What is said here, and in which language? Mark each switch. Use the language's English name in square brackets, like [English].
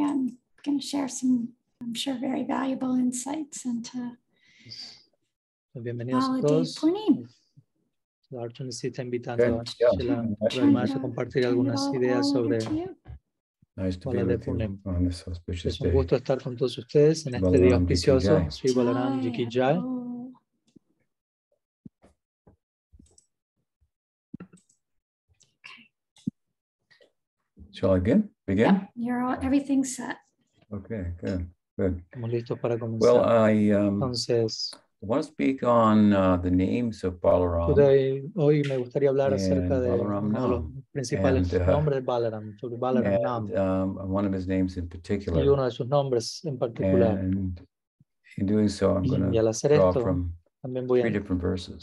[English] I'm going to share some, I'm sure, very valuable insights into Baladeva Purnima. [Spanish] La Archon sí está invitando a Chela, además a compartir algunas ideas sobre Baladeva Purnima. Es un gusto estar con todos ustedes en este día auspicioso. [Hindi] Sri Balaram Jiki Jai. [English] Shall I begin? Begin? Yep, you're all, everything's set. Okay, good. [Spanish] Estamos listos para comenzar. [English] Well, I want to speak on the names of Balaram. Today, [Spanish] hoy me gustaría hablar acerca de los principales nombres de Balaram, sobre Balaram Nam. [English] One of his names in particular. [Spanish] Y uno de sus nombres en particular. [English] And in doing so, I'm going to draw from three different verses.